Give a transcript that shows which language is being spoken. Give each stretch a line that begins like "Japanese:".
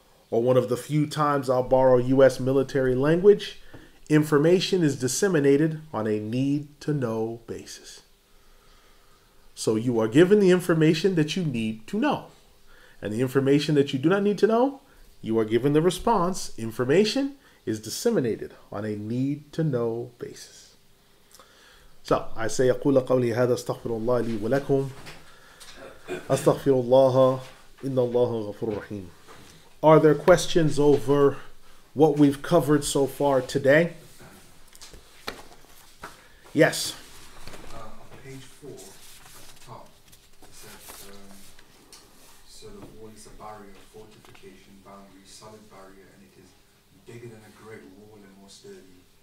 English: Or one of the few times I'll borrow U.S. military language, information is disseminated on a need-to-know basis. So you are given the information that you need to know. And the information that you do not need to know, you are given the response, information is disseminated on a need-to-know basis. So I say
Arabic: أقول قولي هذا استغفر الله لي ولكم استغفر الله إن الله غفور رحيم.
English: Are there questions over what we've covered so far today? Yes. On page 4, top, it says, so the wall is a barrier, fortification, boundary, solid barrier, and it is bigger than a great wall and more sturdy.